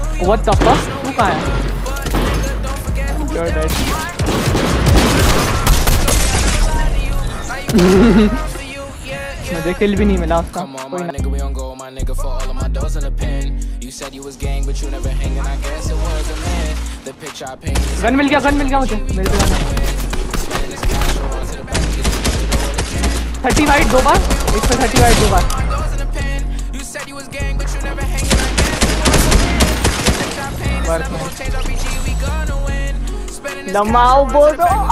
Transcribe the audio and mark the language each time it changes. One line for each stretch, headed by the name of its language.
English: What the fuck? Who are you? You're dead.
Hindi: मुझे kill भी नहीं मिला उसका. कोई ना.
English: Nigga, we on go. My nigga for all of my dogs in the pen. You said you was gang, but you never hanging. I guess it was a man. The picture I painted.
Hindi: Gun मिल गया मुझे. मिल गया. 35 दो बार. इस पे 35 दो बार. लमाओ बोलो.